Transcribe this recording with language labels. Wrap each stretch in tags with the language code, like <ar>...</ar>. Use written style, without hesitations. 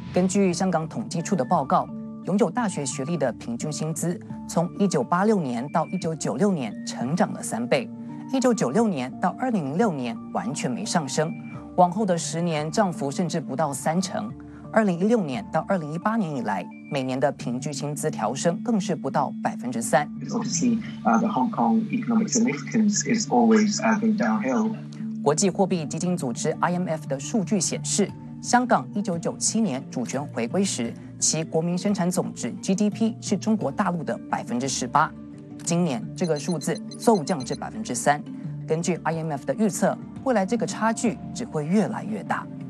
<zh>根据香港统计处的报告，拥有大学学历的平均薪资从1986年到1996年成长了3倍，1996年到2006年完全没上升，往后的10年涨幅甚至不到3成。 2016年到2018年以来，每年的平均薪资调升更是不到3%。</zh> <en>The Hong Kong economic significance is always ebbing downhill.</en> <zh>国际货币基金组织 IMF 的数据显示，香港1997年主权回归时，其国民生产总值 GDP 是中国大陆的18%，今年这个数字骤降至3%。根据 IMF 的预测，未来这个差距只会越来越大。</zh>